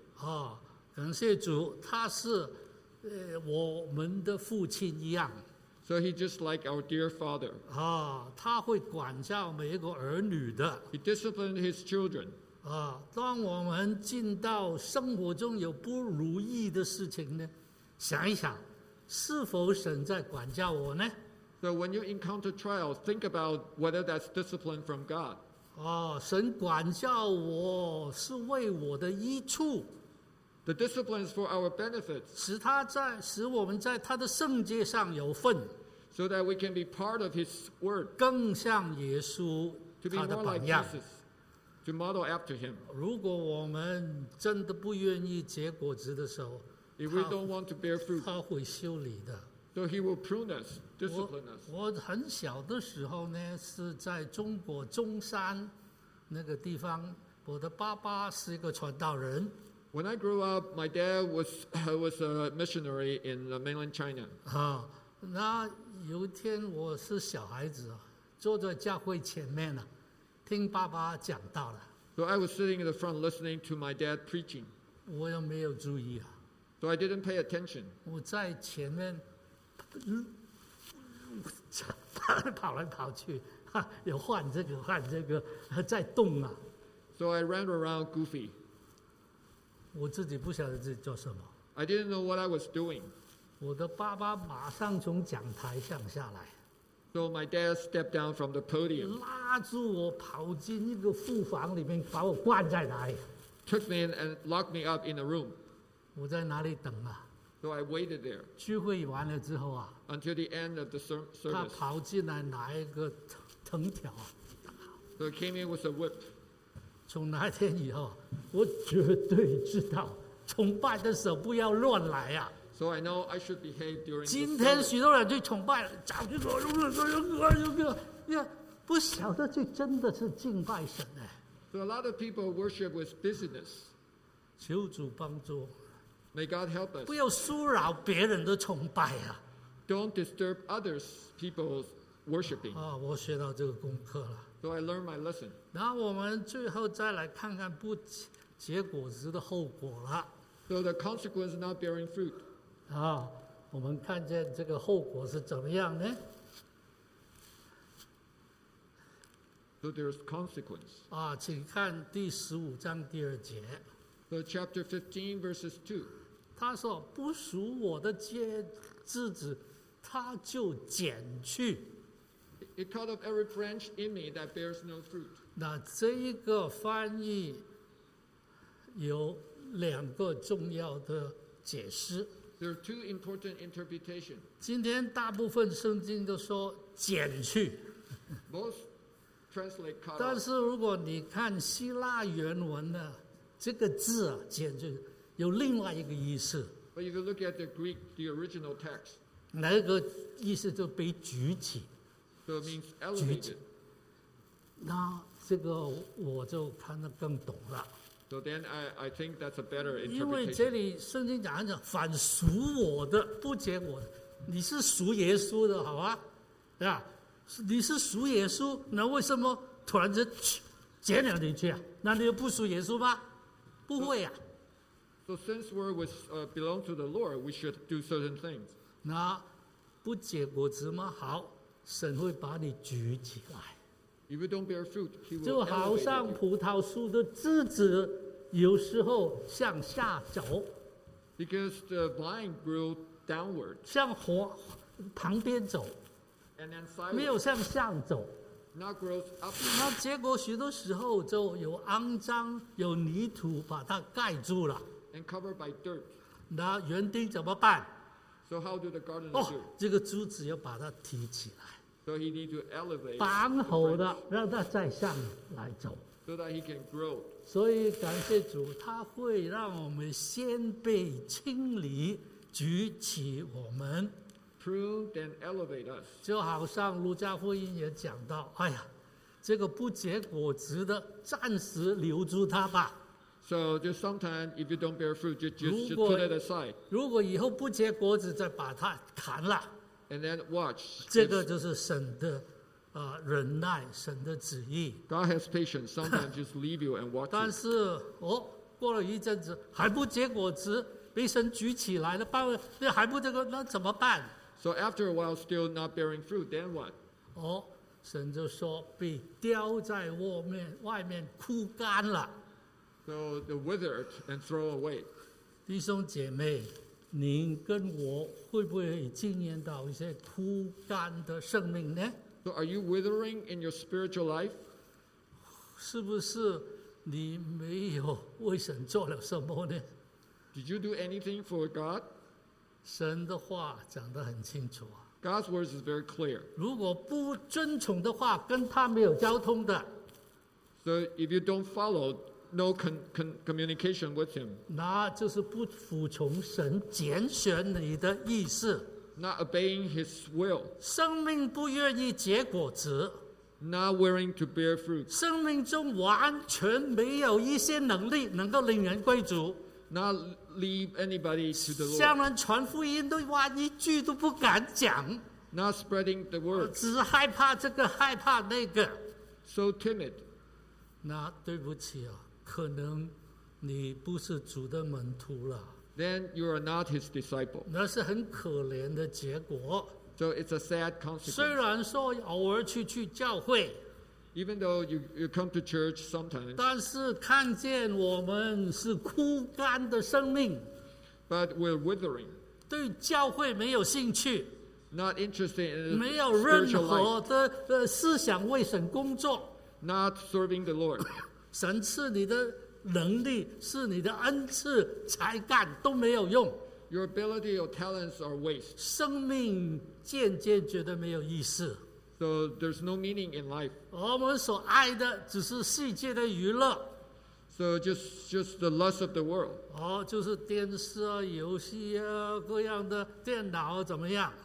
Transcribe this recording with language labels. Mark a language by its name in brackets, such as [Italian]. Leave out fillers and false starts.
[Chinese] 啊，感谢主，他是我们的父亲一样。 [English] So he just like our dear father. [Chinese] 啊，他会管教每一个儿女的。 [English] He disciplined his children. [Chinese] 啊，当我们进到生活中有不如意的事情呢，想一想，是否神在管教我呢 [English] ？So when you encounter trials, think about whether that's discipline from God. [Chinese] 啊，神管教我是为我的益处。 [English] The discipline is for our benefit. [Chinese] 使我们在他的圣洁上有份。 [English] So that we can be part of his word. [Chinese] 更像耶稣他的榜样。 [English] To be more like Jesus. To model after him. [Chinese] 如果我们真的不愿意结果子的时候。 [English] If we don't want to bear fruit. [Chinese] 他会修理的。 [English] So he will prune us, discipline us. [Chinese] 我很小的时候呢，是在中国中山那个地方，我的爸爸是一个传道人。 [English] When I grew up, my dad was a missionary in the mainland China. [Chinese] 啊，那有一天我是小孩子，坐在教会前面呢，听爸爸讲道了。 [English] So I was sitting in the front listening to my dad preaching. [Chinese] 我也没有注意啊。 [English] So I didn't pay attention. [Chinese] 我在前面，跑来跑去，有换这个换这个，在动啊。 [English] So I ran around goofy. [Chinese] 我自己不晓得自己做什么。 [English] I didn't know what I was doing. [Chinese] 我的爸爸马上从讲台上下来。 [English] So my dad stepped down from the podium. [Chinese] 拉住我跑进一个库房里面，把我关在哪里。 [English] Took me in and locked me up in a room. [Chinese] 我在哪里等啊 [English] ？So I waited there. [Chinese] 聚会完了之后啊。 [English] Until the end of the service. [Chinese] 他跑进来拿一个藤条。 [English] So he came in with a whip. [Chinese] 从那天以后，我绝对知道崇拜的时候不要乱来啊。 [English] So I know I should behave during. [Chinese] 今天许多人去崇拜，早就说有个有个有个，不晓得这真的是敬拜神哎。 [English] So a lot of people worship with busyness. [Chinese] 求主帮助。 [English] May God help us. [Chinese] 不要骚扰别人的崇拜啊。 [English] Don't disturb others people's worshiping. [Chinese] 啊，我学到这个功课了。 [English] So I learned my lesson. [Chinese] 那我们最后再来看看不结果子的后果了。 [English] So the consequence not bearing fruit. [Chinese] 啊，我们看见这个后果是怎么样呢 [English] ？So there's consequence. [Chinese] 啊，请看第十五章第二节。 [English] So chapter 15 verses 2. [Chinese] 他说：“不属我的结枝子，他就剪去。” [English] It cut off every branch in me that bears no fruit. [Chinese] 那这一个翻译有两个重要的解释。 [English] There are two important interpretations. [Chinese] 今天大部分圣经都说剪去。 [English] Most translate cut off. [Chinese] 但是如果你看希腊原文呢，这个字啊，剪去有另外一个意思。 [English] But if you look at the Greek, the original text, [Chinese] 那个意思就被举起。 [English] So、means [Chinese] 那这个我就看得更懂了。 [English] So then I think that's a better interpretation. [Chinese] 因为这里圣经讲着凡属我的不接我的，你是属耶稣的，好吧？对吧？你是属耶稣，那为什么突然间捡了你去啊？那你又不属耶稣吗？不会啊。 [English] So since we're with belong to the Lord, we should do certain things. [Chinese] 那不结果子吗？好，神会把你举起来。 [English] If you don't bear fruit, he will elevate you. [Chinese] 就好像葡萄树的枝子有时候向下走。 [English] Because the vine grew downward. [Chinese] 向火旁边走。 [English] And then silent, [Chinese] 没有向上走。 [English] Not grows up. [Chinese] 那结果许多时候就有肮脏，有泥土把它盖住了。 [English] And covered by dirt. [Chinese] 那园丁怎么办？ [English] So how do the gardener do? [Chinese] 这个珠子要把它提起来。 [English] So he needs to elevate. [Chinese] 绑好的，让它再上来走。 [English] So that he can grow. [Chinese] 所以感谢主，他会让我们先被清理，举起我们。 [English] Prune then elevate us. [Chinese] 就好像路加福音也讲到，哎呀，这个不结果子的，暂时留住它吧。 [English] So just sometimes if you don't bear fruit, just put it aside. [Chinese] 如果以后不结果子，再把它砍了。 [English] And then watch. [Chinese] 这个就是神的忍耐，神的旨意。 [English] God has patience. Sometimes just leave you and watch. [Chinese] 但是哦，过了一阵子还不结果子，被神举起来了，把那还不这个，那怎么办？ [English] So after a while still not bearing fruit, then what? [Chinese] 哦，神就说被丢在外面枯干了。 [English] So the withered and throw away. [Chinese] 弟兄姐妹，您跟我会不会经验到一些枯干的生命呢？ [English] So are you withering in your spiritual life? [Chinese] 是不是你没有为神做了什么呢？ [English] Did you do anything for God? [Chinese] 神的话讲得很清楚啊。 [English] God's words is very clear. [Chinese] 如果不遵从的话，跟他没有交通的。 [English] So if you don't follow,No communication with him. [Chinese] 那就是不服从神拣选你的意思。 [English] Not obeying his will. [Chinese] 生命不愿意结果子。 [English] Not willing to bear fruit. [Chinese] 生命中完全没有一些能力能够令人归主。 [English] Not leave anybody to the Lord. [Chinese] 向人传福音都万一句都不敢讲。 [English] Not spreading the word. [Chinese] 只害怕这个，害怕那个。 [English] So timid. [Chinese] 那对不起啊。可能你不是主的门徒了。 [English] Then you are not his disciple. [Chinese] 那是很可怜的结果。 [English] So it's a sad consequence. [Chinese] 虽然说偶尔去教会。 [English] Even though you come to church sometimes. [Chinese] 但是看见我们是枯干的生命。 [English] But we're withering. [Chinese] 对教会没有兴趣。 [English] Not interested in spiritual life. [Chinese] 没有任何的思想为神工作。 [English] Not serving the Lord. [Chinese] 神赐你的能力是你的恩赐才干都没有用。 [English] Your ability or talents are waste. [Chinese] 生命渐渐觉得没有意思。 [English] So there's no meaning in life. [Chinese] 我们所爱的只是世界的娱乐。 [English] So just the lust of the world. [Chinese] 哦，就是电视啊、游戏啊、各样的电脑、啊、怎么样